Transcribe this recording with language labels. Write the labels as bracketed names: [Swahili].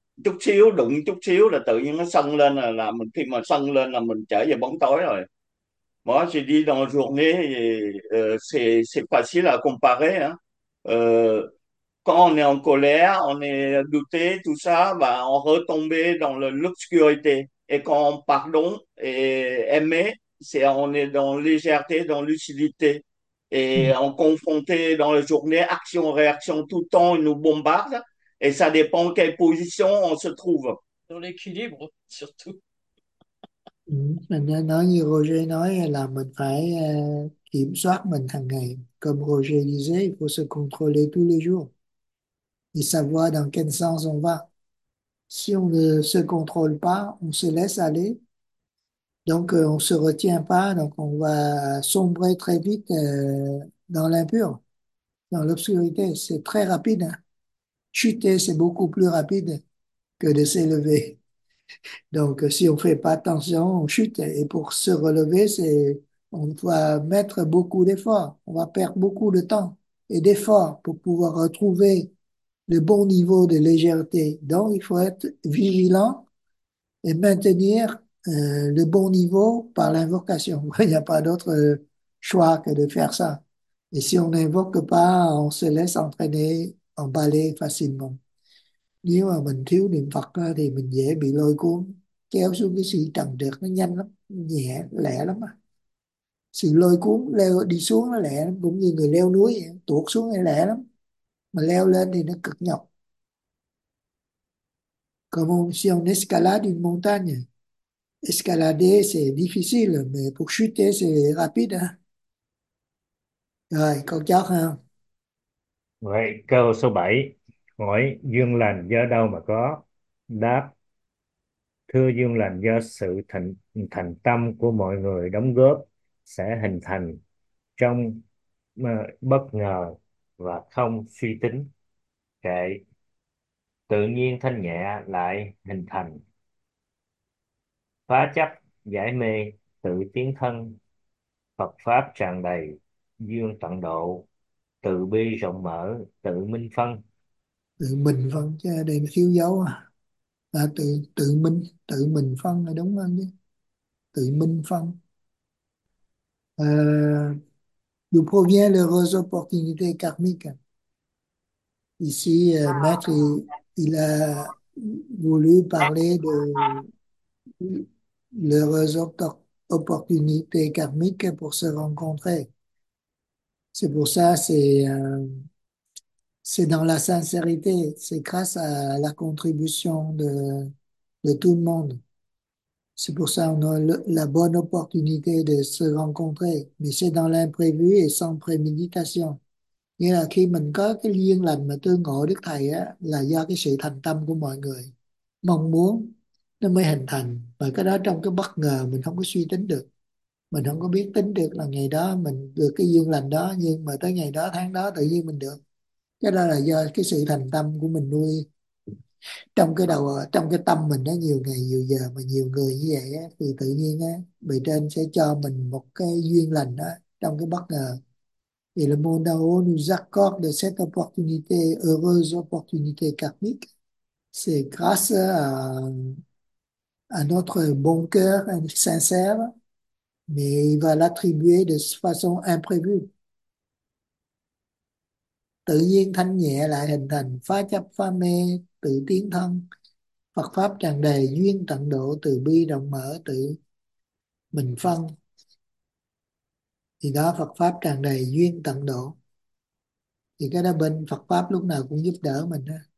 [Vietnamese] Chút xíu đụng chút xíu là tự nhiên nó sân lên, là mình khi mà sân lên là mình trở về bóng tối rồi. [French] Moi, j'ai dit dans la journée, c'est facile à comparer. Hein. Quand on est en colère, on est douté, tout ça, bah, on retombe dans l'obscurité. Et quand on pardonne et aimer, c'est on est dans légèreté, dans lucidité. Et on confronté dans la journée action-réaction tout le temps, ils nous bombardent. Et ça dépend quelle position on se trouve. Dans l'équilibre, surtout. [Vietnamese] Nói như Roger nói là mình phải kiểm soát mình hàng ngày. [French] Comme Roger disait, il faut se contrôler tous les jours. Et savoir dans quel sens on va. Si on ne se contrôle pas, on se laisse aller. Donc, on ne se retient pas. Donc, on va sombrer très vite dans l'impur, dans l'obscurité. C'est très rapide. Hein. Chuter, c'est beaucoup plus rapide que de s'élever. Donc, si on ne fait pas attention, on chute. Et pour se relever, on doit mettre beaucoup d'efforts. On va perdre beaucoup de temps et d'efforts pour pouvoir retrouver le bon niveau de légèreté. Donc, il faut être vigilant et maintenir le bon niveau par l'invocation. Il n'y a pas d'autre choix que de faire ça. Et si on n'invoque pas, on se laisse entraîner, emballer facilement. [Vietnamese] Nếu mà mình thiếu niệm Phật thì mình dễ bị lôi cuốn, kéo xuống cái sự trần trược nó nhanh lắm, nhẹ, lẹ lắm. Sự lôi cuốn leo đi xuống nó lẹ lắm, cũng như người leo núi, tuột xuống nó lẹ lắm. Mà leo lên thì nó cực nhọc. [French] Comme si on escalade une montagne. Escalader, c'est difficile, mais pour chuter, c'est rapide. [Vietnamese] Hein? Rồi, con cháu hein? Vậy câu số 7, hỏi duyên lành do đâu mà có? Đáp: Thưa duyên lành do sự thành tâm của mọi người đóng góp sẽ hình thành trong bất ngờ và không suy tính. Kệ: Tự nhiên thanh nhẹ lại hình thành. Phá chấp giải mê, tự tiến thân, Phật pháp tràn đầy, dương tận độ, từ bi rộng mở, tự minh phân. tự mình phân chứ đây nó thiếu dấu à, là tự tự mình, tự mình phân là đúng anh chứ, tự mình phân à, [French] du proviens le rose opportunité karmique ici maître il a voulu parler de l'heureuse opportunité karmique pour se rencontrer. C'est pour ça, c'est dans la sincérité, c'est grâce à la contribution de tout le monde. C'est pour ça qu'on a la bonne opportunité de se rencontrer, mais c'est dans l'imprévu et sans préméditation. [Vietnamese] Nghĩa là khi mình có cái duyên lành mà tương ngộ Đức Thầy á, là do cái sự thành tâm của mọi người mong muốn nó mới hình thành, và cái đó trong cái bất ngờ mình không có suy tính được, mình không có biết tính được là ngày đó mình được cái duyên lành đó, nhưng mà tới ngày đó tháng đó tự nhiên mình được, cái đó là do cái sự thành tâm của mình nuôi trong cái đầu, trong cái tâm mình đó, nhiều ngày nhiều giờ mà nhiều người như vậy á, thì tự nhiên á bề trên sẽ cho mình một cái duyên lành đó trong cái bất ngờ. [French] Et le monde en haut nous accorde cette opportunité, heureuse opportunité karmique. C'est grâce à notre bon cœur sincère, mais il va l'attribuer de façon imprévue. [Vietnamese] Tự nhiên thanh nhẹ lại hình thành, phá chấp phá mê, tự tiến thân. Phật pháp tràn đầy, duyên tận độ, từ bi rộng mở, tự mình phân. Thì đó, Phật pháp tràn đầy, duyên tận độ. Thì cái đó bên Phật pháp lúc nào cũng giúp đỡ mình đó.